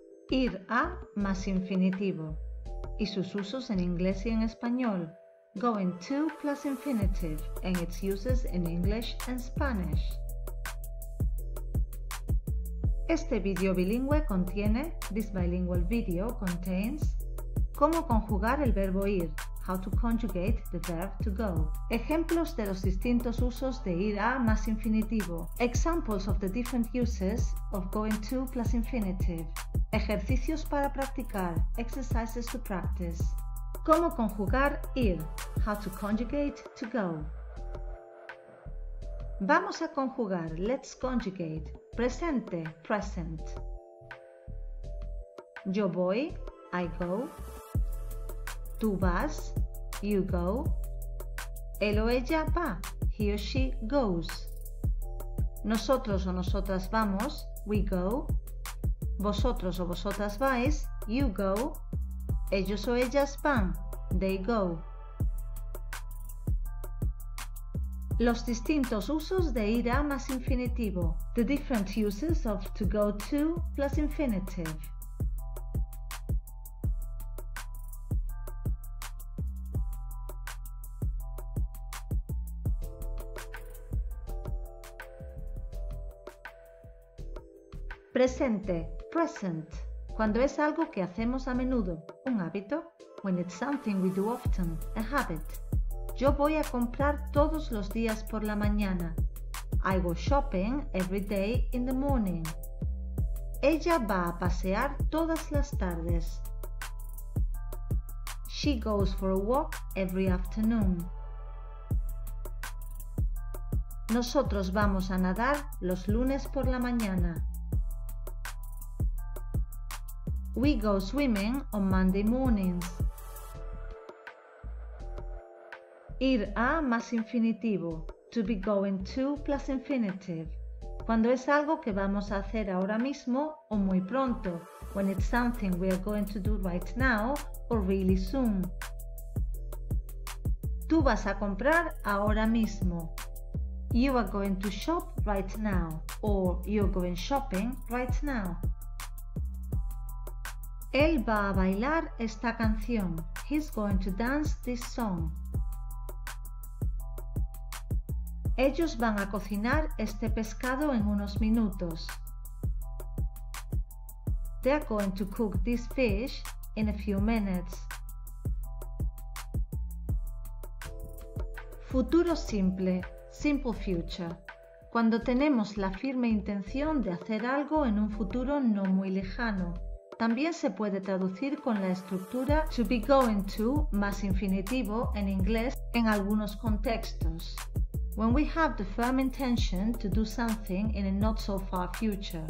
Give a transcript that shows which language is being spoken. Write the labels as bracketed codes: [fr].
[es] Ir a más infinitivo y sus usos en inglés y en español. [en] Going to plus infinitive and its uses in English and Spanish. [es] Este video bilingüe contiene, [en] this bilingual video contains, [es] cómo conjugar el verbo ir, [en] how to conjugate the verb to go. [es] Ejemplos de los distintos usos de ir a más infinitivo. [en] Examples of the different uses of going to plus infinitive. [es] Ejercicios para practicar, [en] exercises to practice. [es] ¿Cómo conjugar ir? [en] How to conjugate to go. [es] Vamos a conjugar, [en] let's conjugate. [es] Presente, [en] present. [es] Yo voy, [en] I go. [es] Tú vas, [en] you go. [es] Él o ella va, [en] he or she goes. [es] Nosotros o nosotras vamos, [en] we go. [es] Vosotros o vosotras vais, [en] you go. [es] Ellos o ellas van, [en] they go. [es] Los distintos usos de ir a más infinitivo. [en] The different uses of to go to plus infinitive. [es] Presente. Present, cuando es algo que hacemos a menudo, un hábito. [en] When it's something we do often, a habit. [es] Yo voy a comprar todos los días por la mañana. [en] I go shopping every day in the morning. [es] Ella va a pasear todas las tardes. [en] She goes for a walk every afternoon. [es] Nosotros vamos a nadar los lunes por la mañana. [en] We go swimming on Monday mornings. [es] Ir a más infinitivo. [en] To be going to plus infinitive. [es] Cuando es algo que vamos a hacer ahora mismo o muy pronto. [en] When it's something we are going to do right now or really soon. [es] Tú vas a comprar ahora mismo. [en] You are going to shop right now. Or you're going shopping right now. [es] Él va a bailar esta canción. [en] He's going to dance this song. [es] Ellos van a cocinar este pescado en unos minutos. [en] They're going to cook this fish in a few minutes. [es] Futuro simple, [en] simple future. [es] Cuando tenemos la firme intención de hacer algo en un futuro no muy lejano. También se puede traducir con la estructura to be going to más infinitivo en inglés en algunos contextos. [en] When we have the firm intention to do something in a not so far future.